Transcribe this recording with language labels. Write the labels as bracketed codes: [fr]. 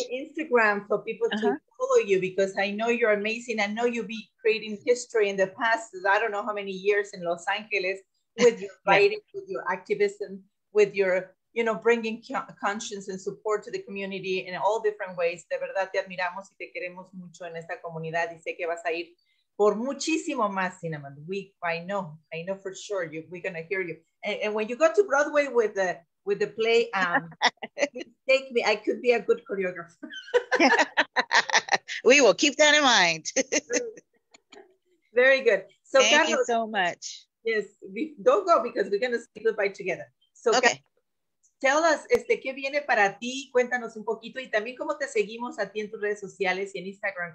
[en] Instagram for people to follow you, because I know you're amazing. I know you'll be creating history in the past, I don't know how many years in Los Angeles, with your writing, yeah. with your activism, with your, you know, bringing conscience and support to the community in all different ways. [es] De verdad, te admiramos y te queremos mucho en esta comunidad. Y sé que vas a ir por muchísimo más, Cinnamon. [en] I know for sure. We're going to hear you. And when you go to Broadway with the play, take me. I could be a good choreographer. We will keep that in mind. Very good. So, Thank you so much. Yes. Don't go, because we're going to say goodbye together. So, okay. Tell us, [es] ¿qué viene para ti? Cuéntanos un poquito. Y también, ¿cómo te seguimos a ti en tus redes sociales y en Instagram?